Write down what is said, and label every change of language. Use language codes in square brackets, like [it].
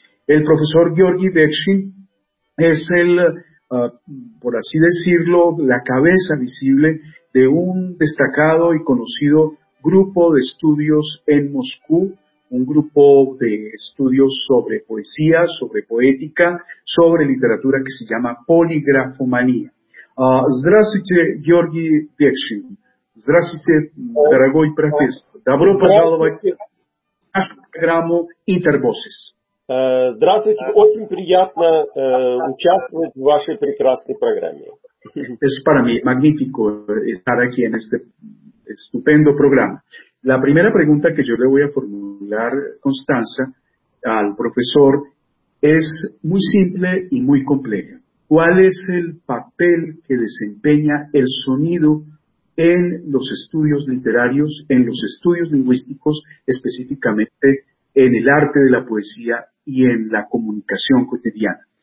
[es] El profesor Georgi Dekshin es el, por así decirlo, la cabeza visible de un destacado y conocido grupo de estudios en Moscú, un grupo de estudios sobre poesía, sobre poética, sobre literatura que se llama Poligrafomanía. [ru] Здравствуйте, Георгий Декшин. Здравствуйте, дорогой профессор. Добро пожаловать в нашу программу Интервозис. Здравствуйте, очень приятно участвовать в вашей прекрасной программе. [es] Es para mí magnífico estar aquí en este estupendo programa. La primera pregunta que yo le voy a formular, Constanza, al profesor, es muy simple y muy compleja. ¿Cuál es el papel que desempeña el sonido en los estudios literarios, en los estudios lingüísticos, específicamente en el arte de la poesía y en la comunicación cotidiana?